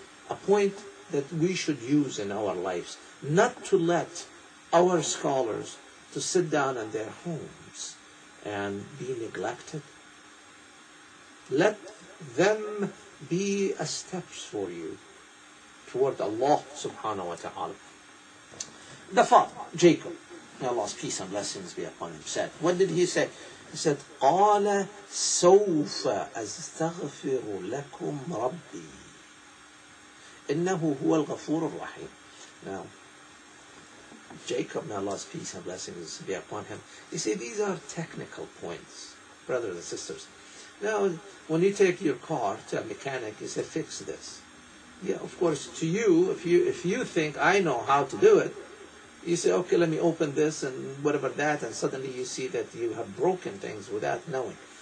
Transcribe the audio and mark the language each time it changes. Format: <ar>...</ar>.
<en>A point that we should use in our lives, not to let our scholars to sit down in their homes and be neglected. Let them be a steps for you toward Allah subhanahu wa ta'ala. The father, Jacob, may Allah's peace and blessings be upon him, said, what did he say? He said,</en> <ar>قَالَ سَوْفَ أَسْتَغْفِرُ لَكُمْ رَبِّي إِنَّهُ هُوَ الْغَفُورُ الرَّحِيمُ.</ar> <en>Now, Jacob, may Allah's peace and blessings be upon him. You see, these are technical points, brothers and sisters. Now, when you take your car to a mechanic, you say, fix this. Yeah, of course, to you, if you think I know how to do it, you say, okay, let me open this and whatever that, and suddenly you see that you have broken things without knowing.</en>